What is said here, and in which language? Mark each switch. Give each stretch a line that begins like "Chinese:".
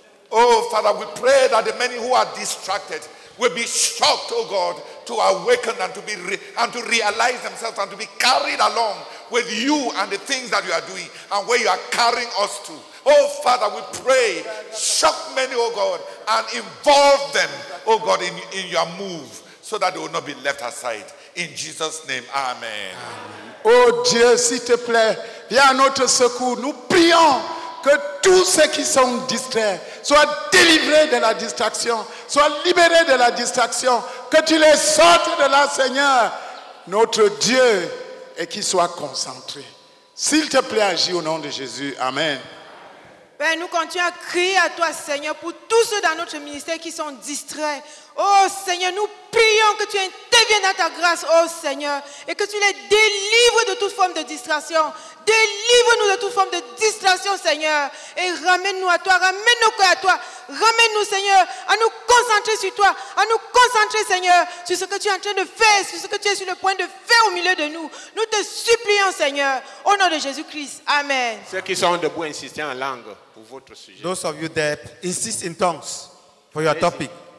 English: Oh, Father, we pray that the many who are distracted will be shocked, oh God, to awaken and to be to realize themselves and to be carried along with you and the things that you are doing and where you are carrying us to. Oh, Father, we pray, shock many, oh God, and involve them, oh God, in your move so that they will not be left aside. In Jesus' name, amen.
French: Oh, Dieu, s'il te plaît, viens à notre secours. Nous prions que tous ceux qui sont distraits soient délivrés de la distraction, soient libérés de la distraction, que tu les sortes de là, Seigneur, notre Dieu, et qu'ils soient concentrés. S'il te plaît, agis au nom de Jésus. Amen. Père, nous continuons à crier à toi, Seigneur, pour tous ceux dans notre ministère qui sont distraits. Oh Seigneur, nous prions que tu interviennes dans ta grâce, oh Seigneur, et que tu les délivres de toute forme de distraction. Délivre-nous de toute forme de distraction, Seigneur, et ramène-nous à toi, ramène nos cœurs à toi. Ramène-nous, Seigneur, à nous concentrer sur toi, à nous concentrer, Seigneur, sur ce que tu es en train de faire, sur ce que tu es sur le point de faire au milieu de nous. Nous te supplions, Seigneur, au nom de Jésus-Christ. Amen. Ceux qui sont debout, insistez en langue pour votre sujet.
English: Those of you there, insist in tongues for your topic.